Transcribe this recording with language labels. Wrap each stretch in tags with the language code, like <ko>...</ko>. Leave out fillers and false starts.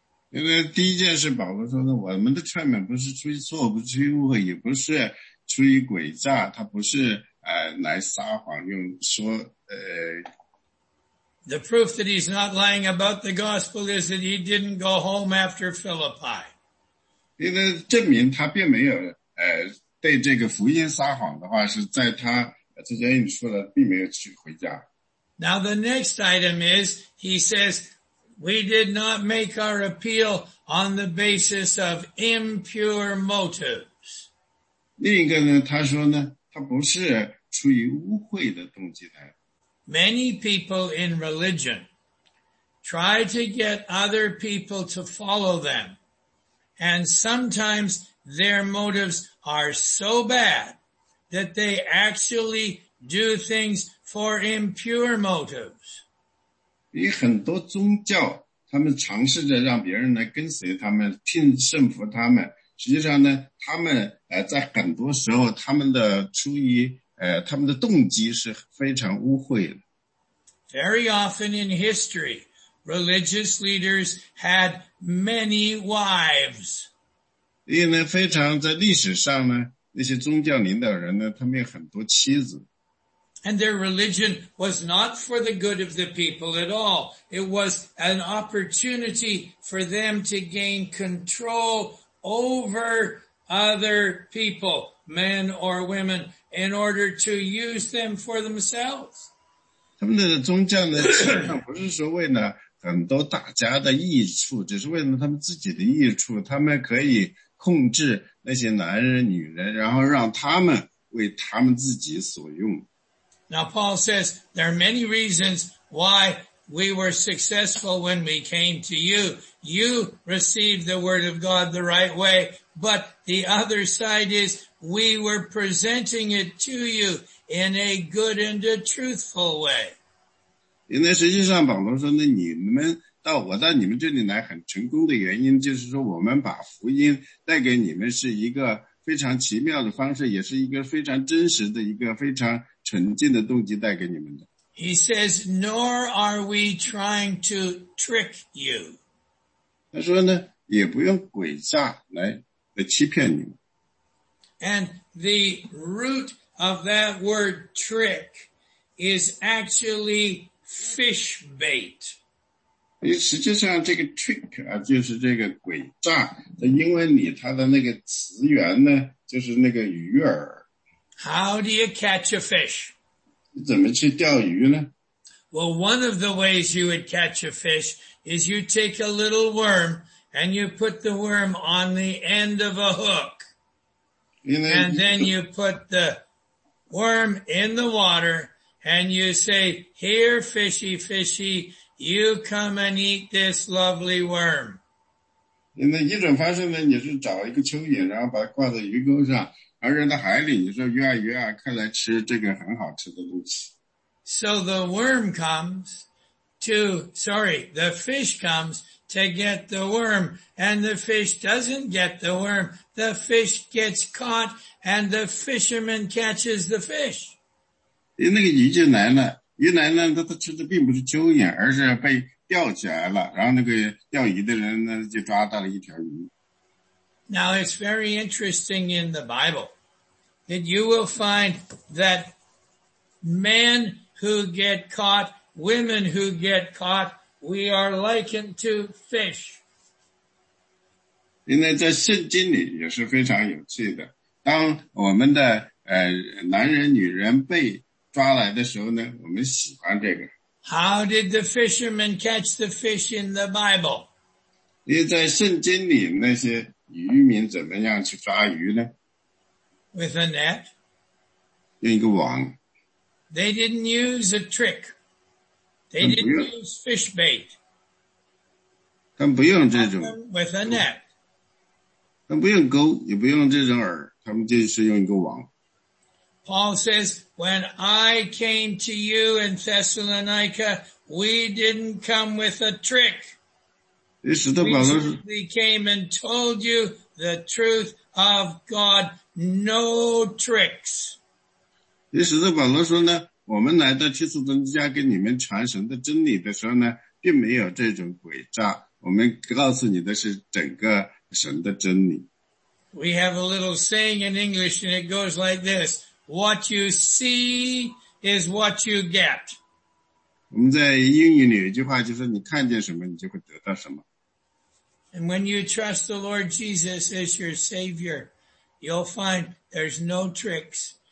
<zh>因为第一件事保罗说的，我们的劝勉不是出于错，不是出于误会，也不是出于诡诈，他不是来撒谎用说</zh> <en>The proof that he's not lying about the gospel is that he didn't go home after Philippi.</en> <zh>因为证明他并没有对这个福音撒谎的话，是在他之前你说的并没有去回家。</zh> <en>Now the next item is, he says, we did not make our appeal on the basis of impure motives.</en> <zh>另一个呢，他说呢，他不是出于污秽的动机来。</zh> <en>Many people in religion try to get other people to follow them. And sometimes their motives are so bad that they actually do things for impure motives.</en> <zh>有很多宗教，他们尝试着让别人来跟随他们，聘顺服他们。实际上呢，他们在很多时候，他们的出于他们的动机是非常污秽的。</zh> <en>Very often in history, religious leaders had many wives.</en> <zh>因为呢，非常在历史上呢，那些宗教领导人呢，他们有很多妻子。</zh> <en>And their religion was not for the good of the people at all. It was an opportunity for them to gain control over other people, men or women, in order to use them for themselves.</en> <zh>他们的宗教呢，实际上不是说为了很多大家的益处，只是为了他们自己的益处。他们可以控制那些男人、女人，然后让他们为他们自己所用。</zh> <en>Now Paul says there are many reasons why we were successful when we came to you. You received the word of God the right way, but the other side is we were presenting it to you. In a good and a truthful way.</en> <zh>因为实际上保罗说呢，你们到我到你们这里来很成功的原因，就是说我们把福音带给你们是一个非常奇妙的方式，也是一个非常真实的一个非常纯净的动机带给你们的。</zh> <en>He says, nor are we trying to trick you.</en> <zh>他说呢，也不用诡诈来欺骗你们。</zh> <en>And the root. Of that word trick is actually fish bait.</en> <zh>实际上这个 trick 啊，就是这个诡诈。在英文里，它的那个词源呢，就是那个鱼饵。</zh> <en>How do you catch a fish?</en> <zh>怎么去钓鱼呢？</zh> <en>Well, one of the ways you would catch a fish is you take a little worm and you put the worm on the end of a hook. And then you put theWorm in the water, and you say, here, fishy, fishy, you come and eat this lovely worm.</en> <zh>那一种方式呢，你是找一个蚯蚓，然后把它挂在鱼钩上，然后扔到海里，你说鱼啊鱼啊，快来吃这个很好吃的东西。</zh> <en>So the worm comes, the fish comes to get the worm, and the fish doesn't get the worm. The fish gets caught, and the fisherman catches the fish.</en> <zh>那个鱼就来了，鱼来了，它吃的并不是蚯蚓，而是被钓起来了。然后那个钓鱼的人呢，就抓到了一条鱼。</zh> <en>Now it's very interesting in the Bible that you will find that men who get caught, women who get caught, we are likened to fish.</en> <zh>因为在圣经里也是非常有趣的，当我们的男人女人被抓来的时候呢，我们喜欢这个。</zh> <en>How did the fisherman catch the fish in the Bible?</en> <zh>因为在圣经里那些渔民怎么样去抓鱼呢？</zh> <en>With a net.</en> <zh>用一个网。</zh> <en>They didn't use a trick. They didn't use fish bait.</en> <zh>他们不用这种。</zh> <en>With a net.</en> <zh>他们不用钩，也不用这种饵，他们就是用一个网。</zh> <en>Paul says, when I came to you in Thessalonica, we didn't come with a trick. We came and told you the truth of God. No tricks.</en> <zh>于使徒保罗说呢，我们来到提斯东家给你们传神的真理的时候呢，并没有这种诡诈，我们告诉你的是整个神的真理。</zh> <en>We have a little saying in English and it goes like this. What you see is what you get.</en> <zh>我们在英语里有一句话，就是你看见什么，你就会得到什么。</zh> <en>And when you trust the Lord Jesus as your Savior, you'll find there's no tricks.</en>